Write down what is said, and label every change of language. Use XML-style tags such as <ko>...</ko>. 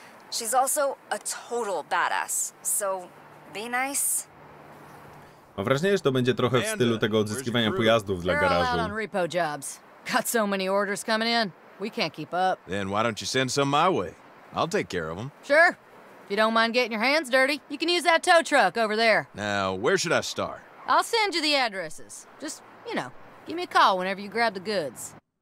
<en>She's also a total badass, so be nice.</en> <pl>Mam wrażenie, że to będzie trochę w stylu tego odzyskiwania pojazdów dla garażu.</pl> <en>Repo jobs. Got so many orders coming in, we can't keep up. Then why don't you send some my way? I'll take care of them. Sure. If you don't mind getting your hands dirty, you can use that tow truck over there. Now, where should I start? I'll send you the addresses. Just, you know, give me a call whenever you grab the goods.</en>